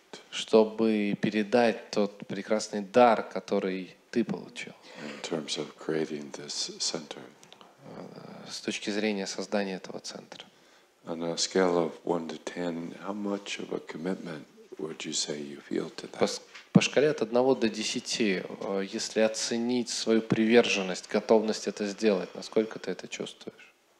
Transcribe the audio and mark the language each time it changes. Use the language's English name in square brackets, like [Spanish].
[Russian] чтобы передать тот прекрасный дар, который ты получил. [English] In terms of creating this center. [Russian] С точки зрения создания этого центра. [English] On a scale of 1 to 10, how much of a commitment would you say you feel to that? [Russian] По шкале от 1 до 10, если оценить свою приверженность, готовность это сделать, насколько ты это чувствуешь?